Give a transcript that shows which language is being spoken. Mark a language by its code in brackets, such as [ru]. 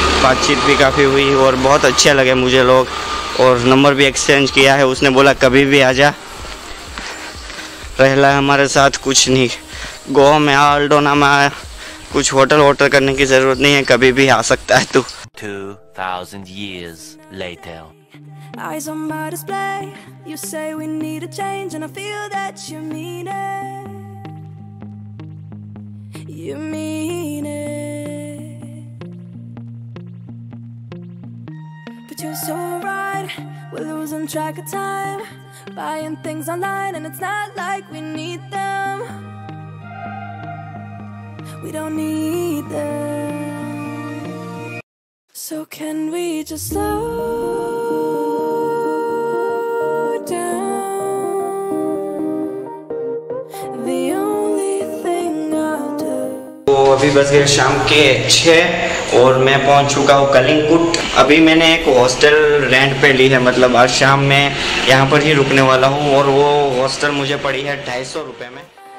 [hi] बातचीत भी काफ़ी हुई, और बहुत अच्छे लगे मुझे लोग, और नंबर भी एक्सचेंज किया है। उसने बोला कभी भी आ जा, रहला हमारे साथ कुछ नहीं, गोवा में आ, अल्डोना में आ, कुछ होटल ऑर्डर करने की ज़रूरत नहीं है, कभी भी आ सकता है तू। [en] 2000 years later. Eyes on my display. You say we need a change and I feel that you mean it. You mean it. You're so right, we're losing track of time, buying things online and it's not like we need them, we don't need them, so can we just slow down, the only thing I'll do. [hi] Oh, अभी बस गए शाम के 6, और मैं पहुंच चुका हूँ कलिंगकुट। अभी मैंने एक हॉस्टल रेंट पे ली है, मतलब आज शाम मैं यहाँ पर ही रुकने वाला हूँ, और वो हॉस्टल मुझे पड़ी है 250 रुपये में।